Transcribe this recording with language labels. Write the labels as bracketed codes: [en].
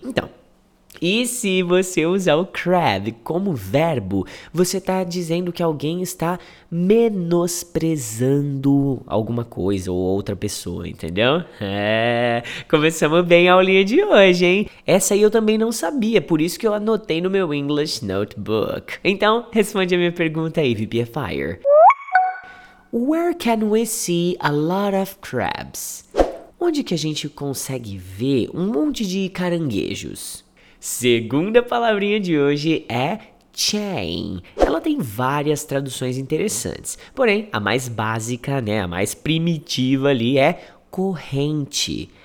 [pt] Então, e se você usar o crab como verbo, você está dizendo que alguém está menosprezando alguma coisa ou outra pessoa, entendeu? É, começamos bem a aulinha de hoje, hein? Essa aí eu também não sabia, por isso que eu anotei no meu English Notebook. Então, responde a minha pergunta aí, VIP Fire. [en] Where can we see a lot of crabs? [pt] Onde que a gente consegue ver um monte de caranguejos? Segunda palavrinha de hoje é chain. Ela tem várias traduções interessantes, porém, a mais básica, né, a mais primitiva ali é corrente.